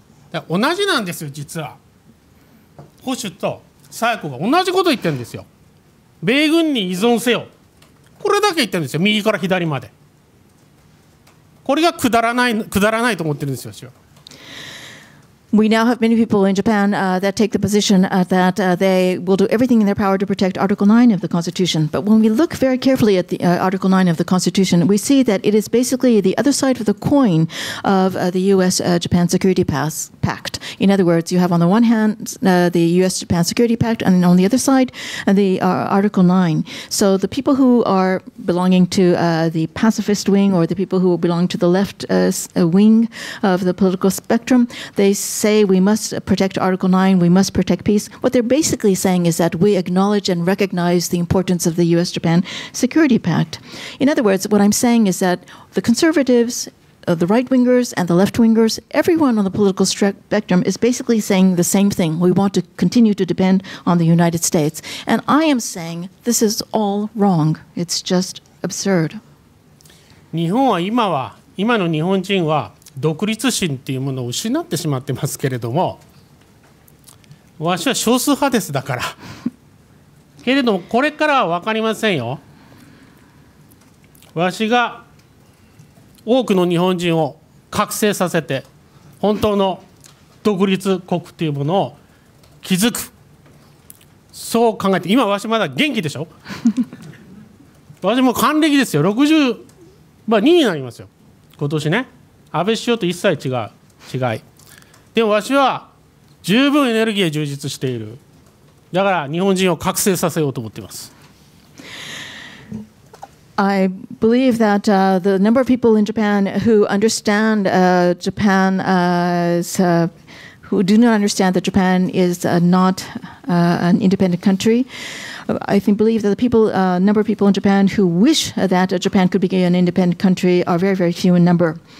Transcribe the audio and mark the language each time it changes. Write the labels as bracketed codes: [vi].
[ja] だから同じなんですよ、実は保守と左翼が同じこと言ってるんですよ。米軍に依存せよ、これだけ言ってるんですよ、右から左まで。これがくだらないと思ってるんですよ、私は。 [en] We now have many people in Japan that take the position that they will do everything in their power to protect Article 9 of the Constitution. But when we look very carefully at the Article 9 of the Constitution, we see that it is basically the other side of the coin of the U.S.-Japan Security Pact. In other words, you have on the one hand the U.S.-Japan Security Pact, and on the other side the Article 9. So the people who are belonging to the pacifist wing, or the people who belong to the left wing of the political spectrum, they say we must protect Article 9, we must protect peace. What they're basically saying is that we acknowledge and recognize the importance of the U.S.-Japan Security Pact. In other words, what I'm saying is that the conservatives, the right-wingers and the left-wingers, everyone on the political spectrum is basically saying the same thing. We want to continue to depend on the United States. And I am saying this is all wrong. It's just absurd. [ja] 日本は今は、今の日本人は独立心っていうものを失ってしまってますけれども、わしは少数派です、だからけれども、これからは分かりませんよ。わしが多くの日本人を覚醒させて本当の独立国っていうものを築く、そう考えて。今わしまだ元気でしょ、わしもう還暦ですよ、62になりますよ今年ね。安倍首相と一切違い。でもわしは十分エネルギーが充実している。だから日本人を覚醒させようと思っています。 [en] I believe that the number of people in Japan who understand Japan as who do not understand that Japan is not an independent country. I believe that the people, number of people in Japan who wish that Japan could be an independent country are very, very few in number.